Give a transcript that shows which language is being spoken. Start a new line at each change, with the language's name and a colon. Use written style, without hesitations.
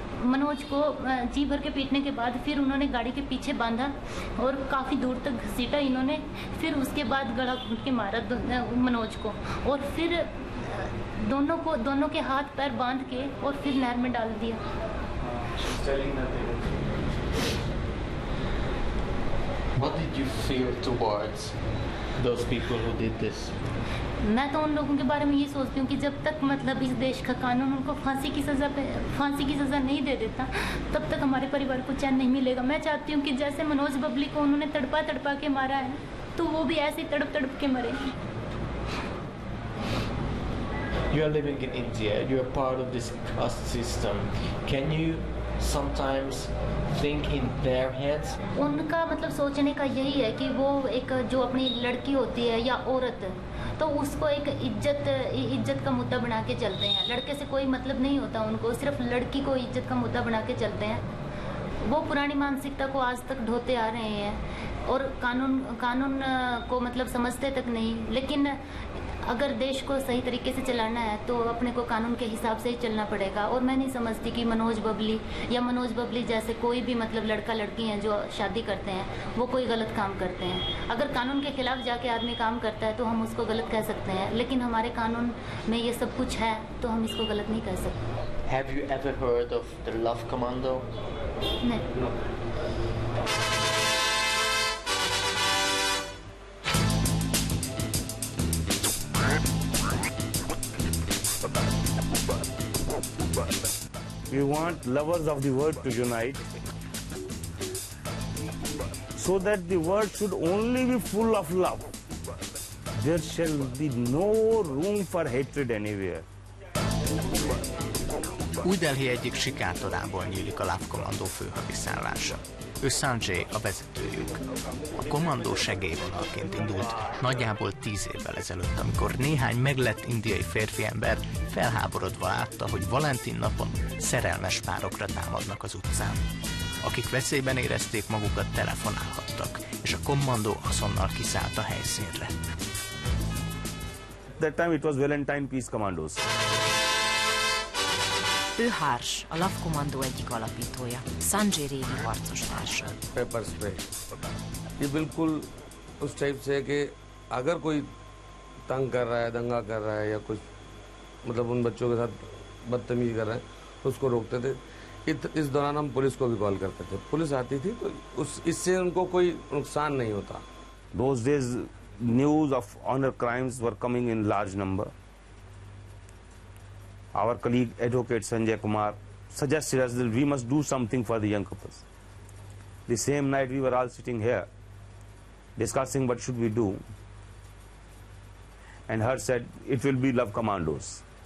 Hindi: मनोज को जी भर के पीटने के बाद फिर उन्होंने गाड़ी के पीछे बांधा और काफ़ी दूर तक घसीटा इन्होंने, फिर उसके बाद गड़ा घूट के मारा मनोज को और फिर दोनों को, दोनों के हाथ पैर बांध के और फिर नहर में डाल दिया।
English: What did you feel towards those people who did this?
Hindi: मैं तो उन लोगों के बारे में ये सोचती हूँ कि जब तक मतलब इस देश का कानून उनको फांसी की सजा पे, फांसी की सजा नहीं दे देता तब तक हमारे परिवार को चैन नहीं मिलेगा। मैं चाहती हूँ कि जैसे मनोज बबली को उन्होंने तड़पा तड़पा के मारा है तो वो भी ऐसे तड़प तड़प के मरे।
English: You are living in India, you are part of this caste system. Can you sometimes think in their heads?
Hindi: उनका मतलब सोचने का यही है कि वो एक जो अपनी लड़की होती है या औरत तो उसको एक इज्जत, इज्जत का मुद्दा बना के चलते हैं। लड़के से कोई मतलब नहीं होता उनको, सिर्फ लड़की को इज्जत का मुद्दा बना के चलते हैं। वो पुरानी मानसिकता को आज तक ढोते आ रहे हैं और कानून, कानून को मतलब समझते तक नहीं। लेकिन अगर देश को सही तरीके से चलाना है तो अपने को कानून के हिसाब से ही चलना पड़ेगा। और मैं नहीं समझती कि मनोज बबली या मनोज बबली जैसे कोई भी मतलब लड़का लड़की हैं जो शादी करते हैं वो कोई गलत काम करते हैं। अगर कानून के खिलाफ जाके आदमी काम करता है तो हम उसको गलत कह सकते हैं, लेकिन हमारे कानून में ये सब कुछ है तो हम इसको गलत नहीं कह सकते।
English: Have you ever heard of the Love Commando?
Hindi: नहीं।
English: We want lovers of the world to unite so that the world should only be full of love. There shall be no room for hatred anywhere.
Hungarian: Új Delhi egyik sikátorából nyílik a Love Commando főhadiszállása. Ő Sanjay, a vezetőjük. A kommandó segélyvonalként indult nagyjából 10 évvel ezelőtt, amikor néhány meglett indiai férfi ember felháborodva látta, hogy Valentin napon szerelmes párokra támadnak az utcán. Akik veszélyben érezték magukat, telefonálhattak, és a kommandó azonnal kiszállt a helyszínre.
English: That time it was Valentine Peace Commandos.
Hungarian: Ő Harsh, a Love Commando egyik alapítója, Sanjay régi harcostársa.
English: Pepper spray.
Hindi: ये बिल्कुल उस type से है कि अगर कोई तंग कर रहा है, दंगा कर रहा है या कुछ मतलब उन बच्चों के साथ बदतमीजी कर रहा है उसको रोकते थे। इस दौरान हम पुलिस को भी कॉल करते थे, पुलिस आती थी तो उस इससे उनको कोई नुकसान नहीं होता।
English: Those days news of honor crimes were coming in large number. Our colleague advocate Sanjay Kumar suggested us that we must do something for the young couples. The same night we were all sitting here discussing what should we do, and her said it will be Love Commandos.